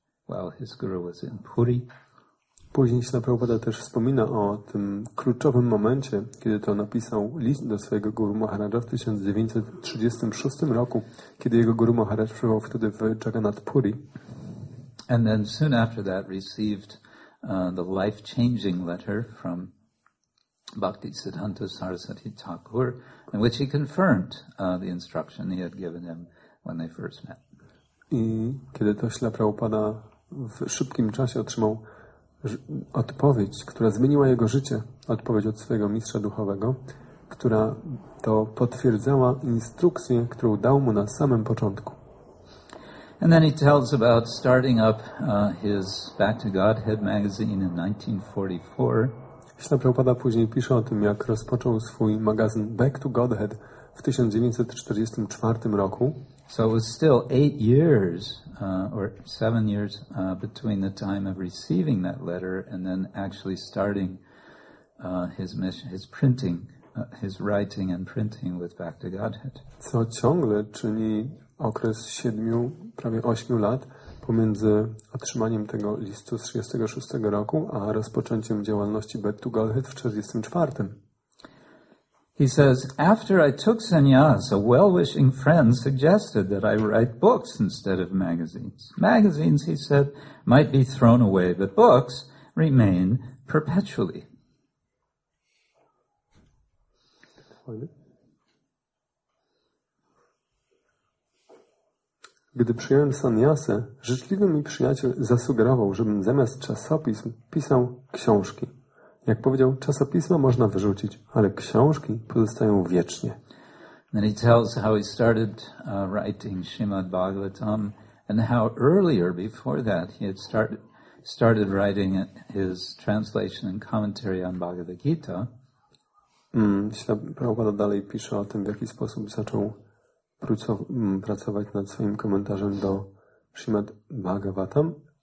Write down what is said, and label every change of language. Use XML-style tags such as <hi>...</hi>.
<en>while his guru was in Puri.</en> <pl>Później Śrīla Prabhupāda też wspomina o tym kluczowym momencie, kiedy to napisał list do swojego guru Maharaja w 1936 roku, kiedy jego guru Maharaj przebywał wtedy w Jagannath Puri.</pl> <en>And then soon after that received the life-changing letter from Bhaktisiddhanta Sarasvati Thakur, in which he confirmed the instruction he had given him when they first met.</en> <pl>I kiedy to Śrīla Prabhupāda w szybkim czasie otrzymał odpowiedź, która zmieniła jego życie, odpowiedź od swojego mistrza duchowego, która to potwierdzała instrukcję, którą dał mu na samym początku.</pl> <en>And then he tells about starting up his Back to Godhead magazine in 1944.</en> <pl>Śrīla Prabhupāda później pisze o tym, jak rozpoczął swój magazyn Back to Godhead w 1944 roku.</pl> <en>So it was still 8 years or 7 years between the time of receiving that letter and then actually starting his mission, his printing, his writing and printing with Back to Godhead.</en> <pl>Co ciągle czyni okres prawie ośmiu lat pomiędzy otrzymaniem tego listu z 1936 roku a rozpoczęciem działalności Back to Godhead w 1944.</pl> <en>He says, after I took sannyas, a well-wishing friend suggested that I write books instead of magazines. Magazines, he said, might be thrown away, but books remain perpetually.</en> <pl>Gdy przyjąłem sannyasę, życzliwy mi przyjaciel zasugerował, żebym zamiast czasopism pisał książki. Jak powiedział, czasopisma można wyrzucić, ale książki pozostają wiecznie.</pl> <en>Then he tells how he started writing Srimad Bhagavatam and how earlier before that he had started writing his translation and commentary on Bhagavad Gita.</en> <pl>Prabhupada dalej pisze o tym, w jaki sposób zaczął pracować nad swoim komentarzem do Srimad Bhagavatam.</pl>